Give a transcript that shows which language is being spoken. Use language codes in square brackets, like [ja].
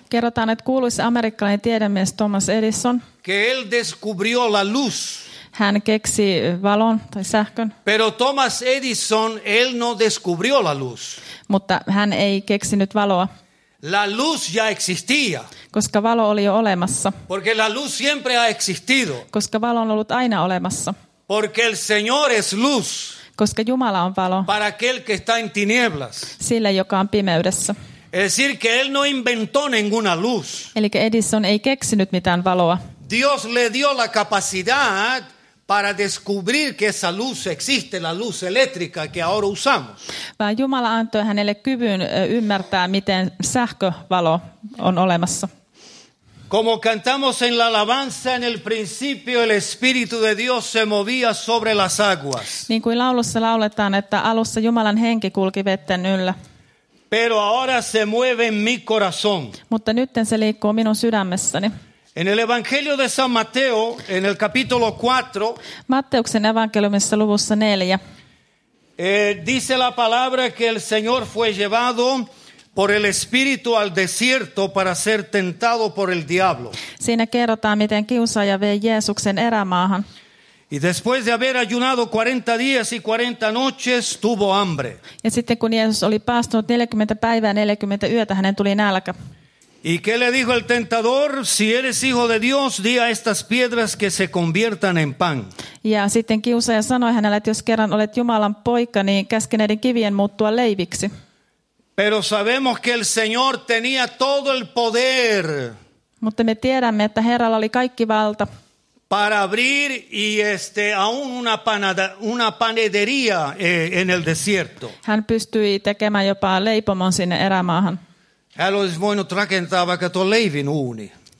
[fi] Kerrotaan, että kuuluisa amerikkalainen tiedemies Thomas Edison. [es] Que él descubrió la luz. [fi] Hän keksi valon tai sähkön. [es] Pero Thomas Edison, él no descubrió la luz. [fi] Mutta hän ei keksinyt valoa. [es] La luz ya existía. [fi] Koska valo oli jo olemassa. [es] Porque la luz siempre ha existido. [fi] Koska valo on ollut aina olemassa. [es] Porque el Señor es luz. [fi] Koska Jumala on valo. [es] Para aquel que está en tinieblas. [fi] Sillä, joka on pimeydessä. [es] Es decir, que él no inventó ninguna luz. [fi] Eli Edison ei keksinyt mitään valoa. [es] Dios le dio la capacidad para descubrir que esa luz existe, la luz eléctrica que ahora usamos. [fi] Vaan Jumala antoi hänelle kyvyn ymmärtää, miten sähkövalo on olemassa. [es] Como cantamos en la alabanza, en el principio el Espíritu de Dios se movía sobre las aguas. [fi] Niin kuin laulussa lauletaan, että alussa Jumalan henki kulki vetten yllä. [es] Pero ahora se mueve en mi corazón. [fi] Mutta nytten se liikkuu minun sydämessäni. [es] En el Evangelio de San Mateo, en el capítulo 4, [fi] Matteuksen evankeliumissa luvussa 4, [es] dice la palabra que el Señor fue llevado por el Espíritu al desierto para ser tentado por el diablo. [fi] Siinä kerrotaan, miten kiusaaja vei Jeesuksen erämaahan. [es] Y después de haber ayunado 40 días y 40 noches, tuvo hambre. [fi] Ja sitten kun Jeesus oli paastunut 40 päivää 40 yötä, hänen tuli nälkä. [es] ¿Y qué le dijo el tentador? Si eres hijo de Dios, di a estas piedras que se conviertan en pan. [fi] Ja sitten kiusaaja sanoi hänelle, että jos kerran olet Jumalan poika, niin käske näiden kivien muuttua leiviksi. [es] Pero sabemos que el Señor tenía todo el poder. [fi] Mutta me tiedämme, että Herralla oli kaikki valta. [es] Para abrir y aún una panadería en el desierto. [fi] Hän pystyi tekemään jopa leipomon sinne erämaahan. Hän olisi voinut rakentaa vaikka tuon leivin uuni.